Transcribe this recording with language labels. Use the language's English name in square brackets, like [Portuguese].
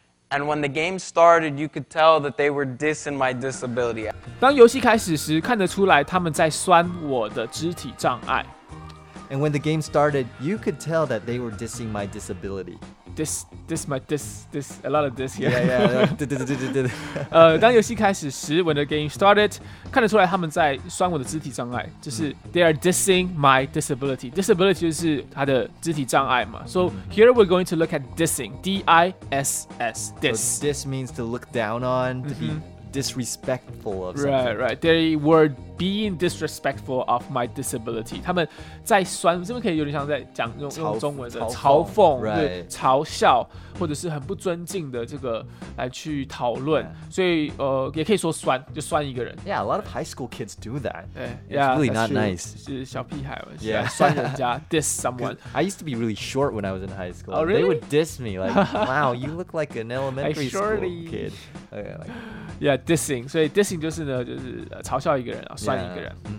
[English] And when the game started, you could tell that they were dissing my disability. [Chinese] 当游戏开始时，看得出来他们在酸我的肢体障碍。 [English] And when the game started, you could tell that they were dissing my disability. This, a lot of this here. Yeah. [Chinese] 当游戏开始时, [English] when the game started, [Chinese] 看得出来他们在酸我的肢体障碍, 就是 [English] they are dissing my disability. [Chinese] Disability就是他的肢体障碍嘛. [English] So here we're going to look at dissing. D-I-S-S, diss. So diss means to look down on, to be disrespectful of something. Right, right. They were being disrespectful of my disability. [Chinese] 他们在酸，这边可以有点像在讲用中文的嘲讽，对，嘲笑，或者是很不尊敬的这个来去讨论。所以也可以说酸，就酸一个人。 [English] Yeah, a lot of high school kids do that. Yeah, it's really not nice. [Chinese] 是小屁孩嘛，酸人家, [English] diss someone. I used to be really short when I was in high school. Oh, really? They would diss me like, wow, you look like an elementary school kid. [Chinese] Yeah, dissing. So dissing就是嘲笑一个人，酸一个人。